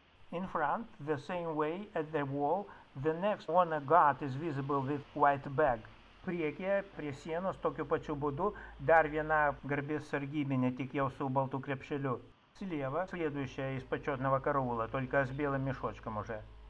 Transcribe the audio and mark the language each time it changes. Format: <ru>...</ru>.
<en>In front, the same way, at the wall, the next honor guard is visible with white bag.</en> <lt>Priekyje, prie sienos, tokiu pačiu būdu, dar viena garbės sargybinė, tik jau su baltu krepšeliu.</lt> <ru>Слева, следующая из почетного караула, только с белым мешочком уже.</ru>